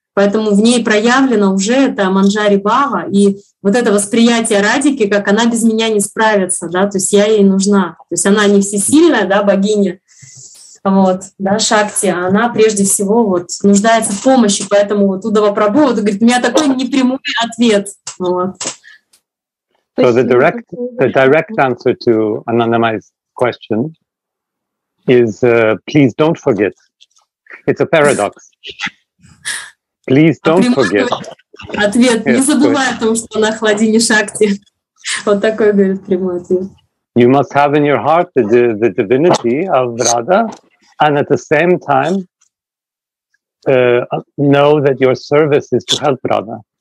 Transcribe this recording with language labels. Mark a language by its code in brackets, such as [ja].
[ru] Поэтому в ней проявлено уже это Манджари Бхава, и вот это восприятие Радики, как она без меня не справится, да, то есть я ей нужна. То есть она не всесильная, да, богиня. Вот, да, Шакти, она прежде всего вот нуждается в помощи, поэтому вот Удава Прабху вот говорит, у меня такой непрямой ответ. Вот. [en] So the direct answer to Ananda's question is please don't forget. It's a paradox. Please don't forget. [ru] Ответ. Yes, не забывай о том, что она Хладини Шакти. Вот такой говорит прямой ответ. [en] You must have in your heart the divinity of Radha. And at the same time, know that your service is to help Radha.